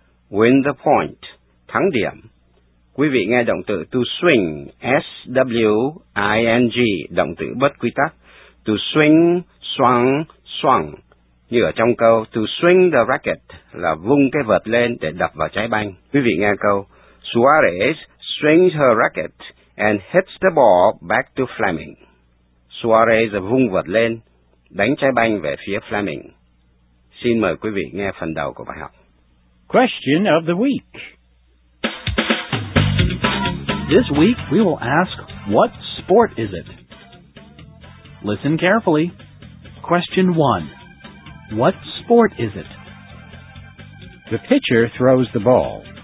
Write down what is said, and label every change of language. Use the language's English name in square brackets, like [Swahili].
[English] Win the point, [Vietnamese] thắng điểm. Quý vị nghe động từ to swing, S-W-I-N-G, động từ bất quy tắc. [English] To swing, swung, swung. [Vietnamese] Như ở trong câu, [English] to swing the racket [Vietnamese] là vung cái vợt lên để đập vào trái banh. Quý vị nghe câu, [English] Suarez swings her racket and hits the ball back to Fleming. [Vietnamese] Suarez vung vợt lên, đánh trái banh về phía Fleming. Xin mời quý vị nghe phần đầu của bài học. [English] Question of the week. This week we will ask, what sport is it? Listen carefully. Question 1. What sport is it? The pitcher throws the ball.